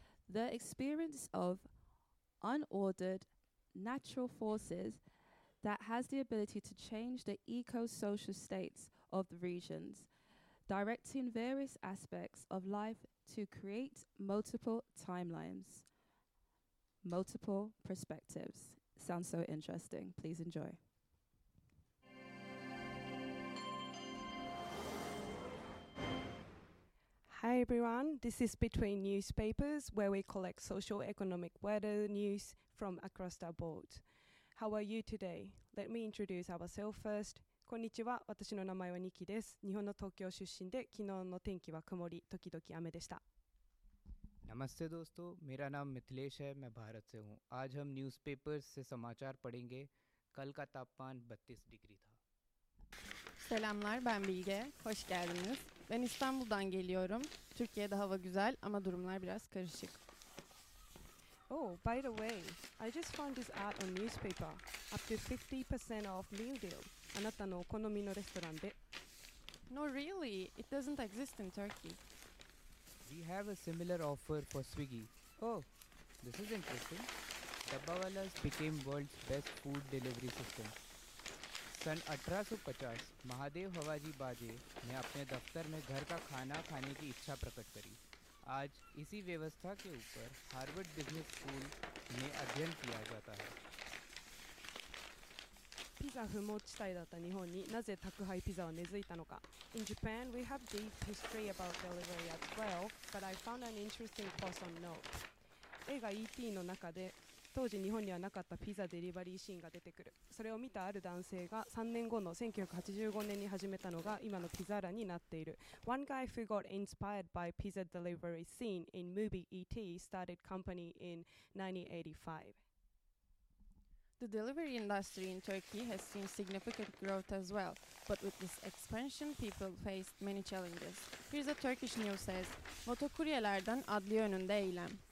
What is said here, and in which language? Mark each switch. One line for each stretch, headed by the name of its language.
English: The experience of unordered natural forces that has the ability to change the eco-social states of the regions, directing various aspects of life to create multiple timelines, multiple perspectives. Sounds so interesting. Please enjoy. Hi everyone, this is Between Newspapers, where we collect social economic weather news from across the board. How are you today? Let me introduce ourselves first.
Japanese: こんにちは、私の名前はニキです。日本の東京出身で、昨日の天気は曇り、時々雨でした。
Hindi: नमस्ते दोस्तों, मेरा नाम मिथिलेश है, मैं भारत से हूँ. आज हम न्यूज़पेपर्स से समाचार पढ़ेंगे. कल का तापमान 32 डिग्री था.
Turkish: Selamlar, ben Bilge. Hoş geldiniz. Ben İstanbul'dan geliyorum. Türkiye'de hava güzel ama durumlar biraz karışık.
English: Oh, by the way, I just found this ad on newspaper. Up to 50% off meal deal.
Japanese: あなたのお好みのレストランで。
English: No, really. It doesn't exist in Turkey. We have a similar offer for Swiggy. Oh, this is interesting. Dabbawalas became world's best food delivery system.
Hindi: सन 1850 महादेव हवाजी बाजे ने अपने दफ्तर में घर का खाना खाने की इच्छा प्रकट करी आज इसी व्यवस्था के ऊपर हार्वर्ड बिजनेस स्कूल में अध्ययन किया जाता है
Japanese: पिज़्ज़ा 不毛地帯だった日本になぜ宅配ピザは根付いたのか In Japan, we have deep history about delivery as well, but I found an interesting post on note. 映画 E.T. の中で当時日本にはなかったピザデリバリーシーンが出てくる。それを見たある男性が3年後の1985年に始めたのが今のピザーラになっている。
English: One guy who got inspired by pizza delivery scene in movie E.T. started company in 1985. The delivery industry in Turkey has seen significant growth as well, but with this expansion, people faced many challenges. Here's a Turkish news says,
Turkish: Motokuryelerden adliye önünde eylem.